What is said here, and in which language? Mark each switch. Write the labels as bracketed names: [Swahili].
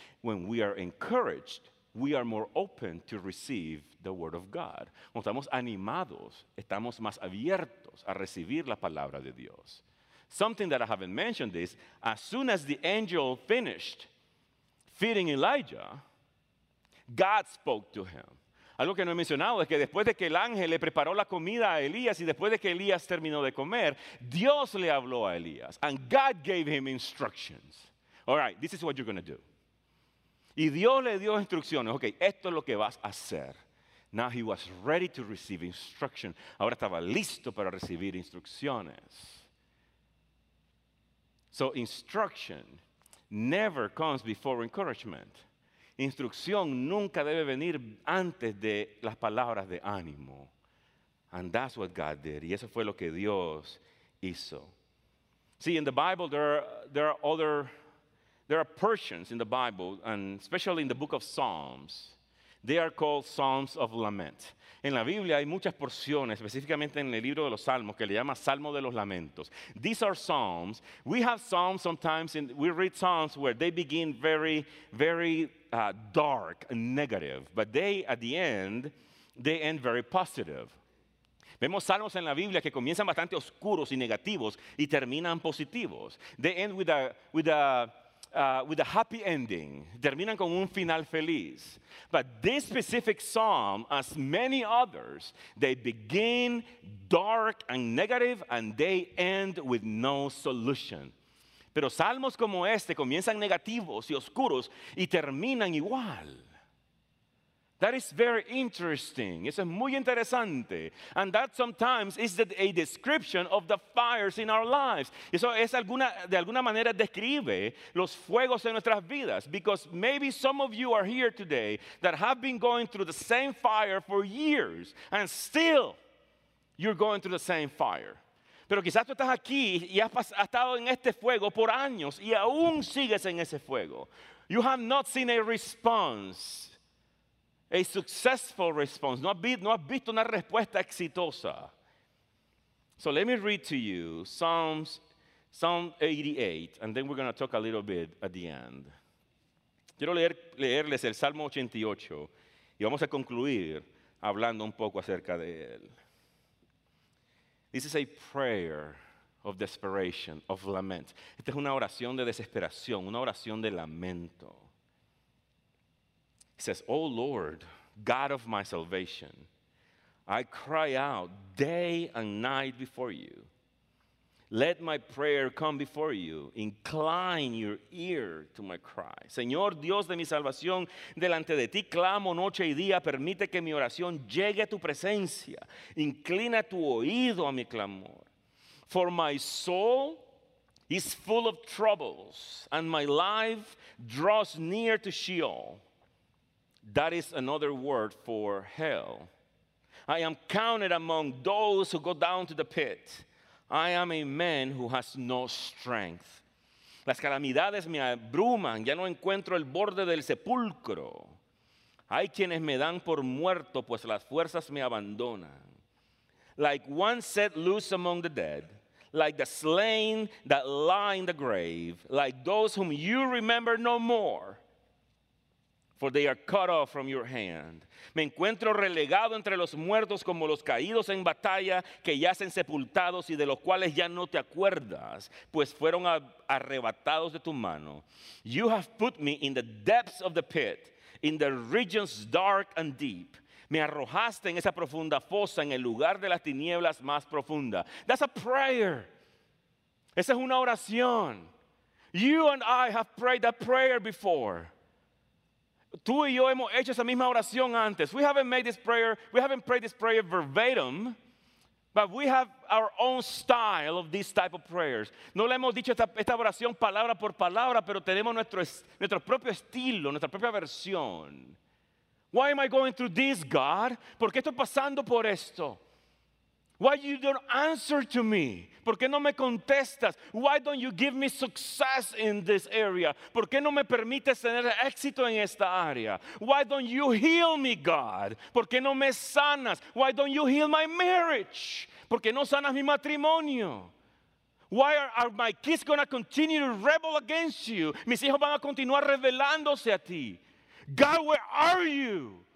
[English] When we are encouraged, we are more open to receive the word of God. [Spanish] Cuando estamos animados, estamos más abiertos a recibir la palabra de Dios. [English] Something that I haven't mentioned is, as soon as the angel finished feeding Elijah, God spoke to him. [Spanish] Algo que no he mencionado es que después de que el ángel le preparó la comida a Elías y después de que Elías terminó de comer, Dios le habló a Elías. [English] And God gave him instructions. All right, this is what you're going to do. [Spanish] Y Dios le dio instrucciones. Okay, esto es lo que vas a hacer. [English] Now he was ready to receive instruction. [Spanish] Ahora estaba listo para recibir instrucciones. [English] So instruction never comes before encouragement. [Spanish] Instrucción nunca debe venir antes de las palabras de ánimo. [English] And that's what God did. [Spanish] Y eso fue lo que Dios hizo. [English] See, in the Bible, there are portions in the Bible, and especially in the book of Psalms, they are called Psalms of Lament. [Spanish] En la Biblia hay muchas porciones, específicamente en el libro de los Salmos, que le llama Salmo de los Lamentos. [English] These are Psalms. We have Psalms sometimes, we read Psalms where they begin very, very dark and negative, but they, at the end, they end very positive. [Spanish] Vemos Salmos en la Biblia que comienzan bastante oscuros y negativos y terminan positivos. [English] They end with a happy ending. [Spanish] Terminan con un final feliz. [English] But this specific psalm, as many others, they begin dark and negative and they end with no solution. [Spanish] Pero salmos como este comienzan negativos y oscuros y terminan igual. [English] That is very interesting. [Spanish] Eso es muy interesante. [English] And that sometimes is a description of the fires in our lives. [Spanish] Eso es de alguna manera describe los fuegos en nuestras vidas. [English] Because maybe some of you are here today that have been going through the same fire for years and still you're going through the same fire. [Spanish] Pero quizás tú estás aquí y has estado en este fuego por años y aún sigues en ese fuego. [English] You have not seen a response. A successful response. [Spanish] No has visto una respuesta exitosa. [English] So let me read to you Psalm 88, and then we're going to talk a little bit at the end. [Spanish] Quiero leerles el Salmo 88, y vamos a concluir hablando un poco acerca de él. [English] This is a prayer of desperation, of lament. [Spanish] Esta es una oración de desesperación, una oración de lamento. [English] It says, "Oh Lord, God of my salvation, I cry out day and night before you. Let my prayer come before you. Incline your ear to my cry. [Spanish] Señor Dios de mi salvación, delante de ti clamo noche y día. Permite que mi oración llegue a tu presencia. Inclina tu oído a mi clamor. [English] For my soul is full of troubles, and my life draws near to Sheol. That is another word for hell. I am counted among those who go down to the pit. I am a man who has no strength. [Spanish] Las calamidades me abruman. Ya no encuentro el borde del sepulcro. Hay quienes me dan por muerto, pues las fuerzas me abandonan. [English] Like one set loose among the dead, like the slain that lie in the grave, like those whom you remember no more, for they are cut off from your hand. [Spanish] Me encuentro relegado entre los muertos como los caídos en batalla que yacen sepultados y de los cuales ya no te acuerdas, pues fueron arrebatados de tu mano. [English] You have put me in the depths of the pit, in the regions dark and deep. [Spanish] Me arrojaste en esa profunda fosa, en el lugar de las tinieblas más profunda. [English] That's a prayer. [Spanish] Esa es una oración. [English] You and I have prayed that prayer before. [Spanish] Tú y yo hemos hecho esa misma oración antes. [English] We haven't prayed this prayer verbatim, But we have our own style of these type of prayers. [Spanish] No le hemos dicho esta oración palabra por palabra, pero tenemos nuestro propio estilo, nuestra propia versión. [English] Why am I going through this, God? [Spanish] ¿Por qué estoy pasando por esto? [English] Why you don't answer to me? [Spanish] ¿Por qué no me contestas? [English] Why don't you give me success in this area? [Spanish] ¿Por qué no me permites tener éxito en esta área? [English] Why don't you heal me, God? [Spanish] ¿Por qué no me sanas? [English] Why don't you heal my marriage? [Spanish] ¿Por qué no sanas mi matrimonio? [English] Why are my kids going to continue to rebel against you? [Spanish] Mis hijos van a continuar rebelándose a ti. [English] God, where are you?